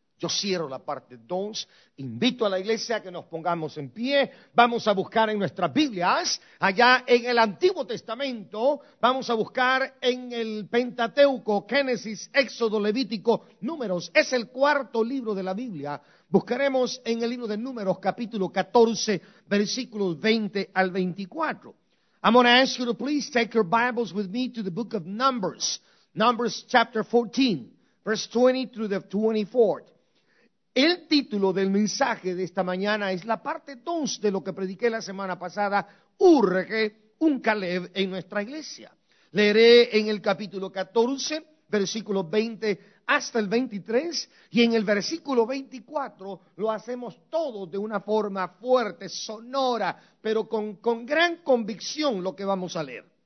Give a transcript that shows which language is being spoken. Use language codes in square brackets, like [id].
[es] Yo cierro la parte 2, invito a la iglesia a que nos pongamos en pie, vamos a buscar en nuestras Biblias, allá en el Antiguo Testamento, vamos a buscar en el Pentateuco, Génesis, Éxodo, Levítico, Números, es el cuarto libro de la Biblia. Buscaremos en el libro de Números, capítulo 14, versículos 20 al 24. [en] I'm going to ask you to please take your Bibles with me to the book of Numbers, Numbers chapter 14, verse 20 through the 24th. [es] El título del mensaje de esta mañana es la parte 2 de lo que prediqué la semana pasada, urge un Caleb en nuestra iglesia. Leeré en el capítulo 14, versículo 20 hasta el 23, y en el versículo 24 lo hacemos todo de una forma fuerte, sonora, pero con gran convicción lo que vamos a leer.